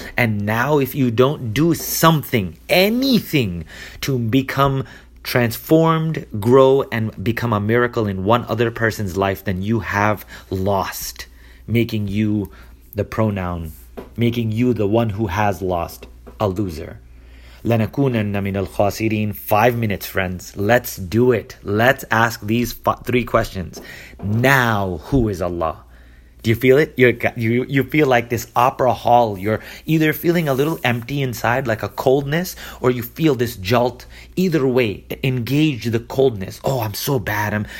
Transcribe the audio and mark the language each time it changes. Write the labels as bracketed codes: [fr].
[en] And now if you don't do something, anything to become transformed, grow, and become a miracle in one other person's life, then you have lost, making you the pronoun, making you the one who has lost, a loser. [ar] لَنَكُونَنَّ مِنَ الْخَاسِرِينَ [en] 5 minutes, friends. Let's do it. Let's ask these three questions. Now, who is Allah? Do you feel it? You feel like this opera hall. You're either feeling a little empty inside, like a coldness, or you feel this jolt. Either way, engage the coldness. Oh, I'm so bad.